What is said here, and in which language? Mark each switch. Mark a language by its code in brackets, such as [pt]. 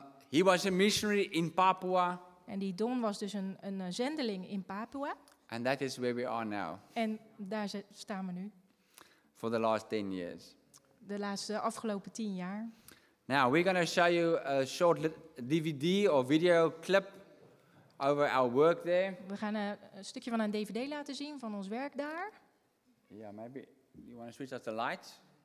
[en] He was a missionary in Papua. [nl] En die Don was dus een zendeling in Papua. [en] And that is where we are now. [nl] En daar staan we nu. [en] For the last 10 years. [nl] De laatste afgelopen 10 jaar. [en] Now we're going to show you a short DVD or video clip over our work there. [nl] We gaan een stukje van een DVD laten zien van ons werk daar. [en] Yeah, maybe you want to switch off the lights.